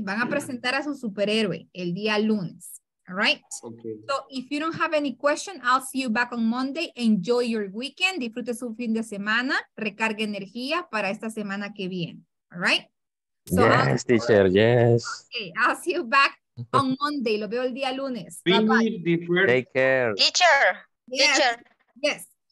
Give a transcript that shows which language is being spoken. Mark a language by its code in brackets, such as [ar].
[es] Van a presentar a su superhéroe el día lunes, ¿right? [en] Okay. So if you don't have any question, I'll see you back on Monday. Enjoy your weekend. [es] Disfrute su fin de semana. Recargue energía para esta semana que viene, ¿right? [en] So yes, teacher, yes. Okay, I'll see you back on Monday. [es] Lo veo el día lunes. [en] Bye bye. Take care. Teacher. Yes. Teacher. Yes.